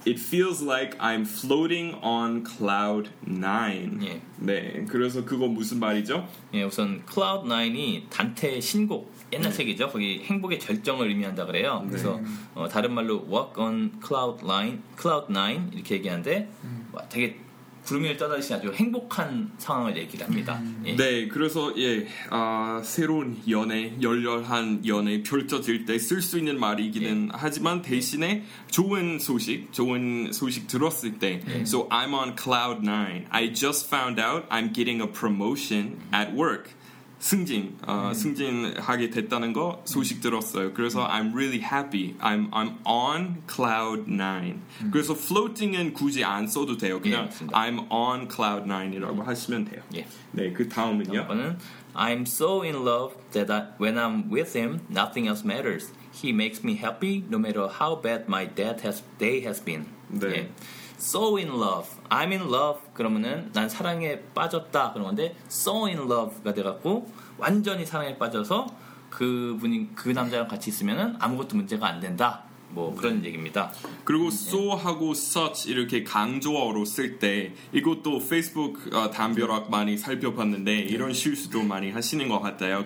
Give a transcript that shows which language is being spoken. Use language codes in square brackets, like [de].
[en] It feels like I'm floating on cloud nine. [ko] 네, 그래서 그거 무슨 말이죠? 예, 우선 cloud nine이 단테의 신곡. 옛날 책이죠. 거기 행복의 절정을 의미한다 그래요. 그래서 다른 말로 [en] walk on cloud nine, cloud nine [ko] 이렇게 얘기하는데 와, 되게 구름 위를 떠다니시 아주 행복한 상황을 얘기합니다. 예. 네, 그래서 예, 새로운 연애, 열렬한 연애 펼쳐질 때 쓸 수 있는 말이기는 하지만 대신에 좋은 소식 들었을 때 [en] So I'm on cloud nine. I just found out I'm getting a promotion at work. [ko] 승진, 승진하게 됐다는 거 소식 들었어요. 그래서 [en] I'm really happy. I'm on cloud nine. [ko] 그래서 floating은 굳이 안 써도 돼요. 그냥 [en] I'm on cloud nine [ko] 이라고 하시면 돼요. 네, 그 다음은요. [en] 다음은, I'm so in love that when I'm with him, nothing else matters. He makes me happy no matter how bad my day has been. [ko] 네. 네. [en] So in love, I'm in love. [ko] 그러면은 난 사랑에 빠졌다 그런 건데 so in love가 돼갖고 완전히 사랑에 빠져서 그분이 그 남자랑 같이 있으면은 아무것도 문제가 안 된다. 뭐 그런 얘기입니다. 그리고 so하고 such 이렇게 강조어로 쓸 때 이것도 페이스북 담벼락 많이 살펴봤는데 이런 실수도 많이 하시는 것 같아요.